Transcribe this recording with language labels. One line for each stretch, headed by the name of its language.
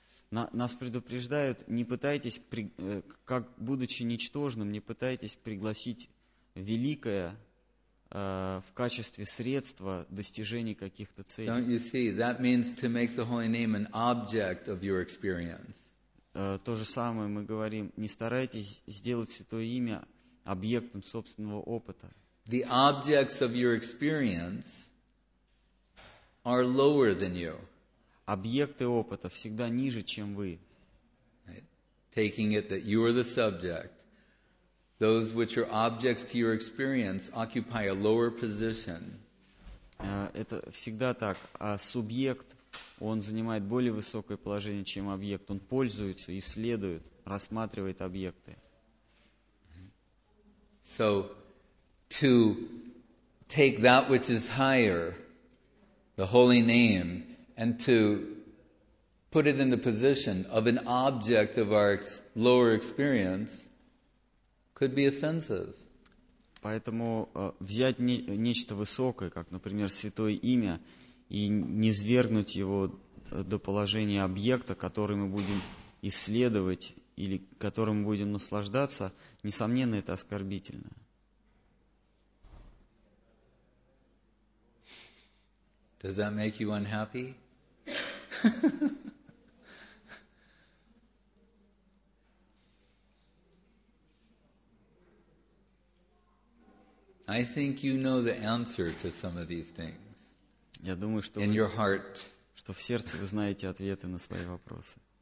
Russian: Нас предупреждают, не пытайтесь, как будучи ничтожным, не пытайтесь пригласить великое в качестве средства достижения каких-то целей.
English: Don't you see? That means to make the holy name an object of your experience.
Russian: То же самое мы говорим, не старайтесь сделать святое имя объектом собственного опыта.
English: The objects of your experience are lower than you.
Russian: Объекты опыта всегда ниже, чем вы.
English: Taking it that you are the subject, those which are objects to your experience occupy a lower position.
Russian: Это всегда так. А субъект, он занимает более высокое положение, чем объект. Он пользуется, исследует, рассматривает объекты.
English: So, to take that which is higher, the holy name, and to put it in the position of an object of our lower experience could be offensive.
Russian: Поэтому взять нечто высокое, как, например, святое имя, и низвергнуть его до положения объекта, который мы будем исследовать или которым будем наслаждаться, несомненно, это оскорбительно.
English: Does that make you unhappy? I I think you know the answer to some of these things.
Russian: Я думаю, что
English: in your heart,
Russian: что в сердце вы знаете ответы на свои вопросы.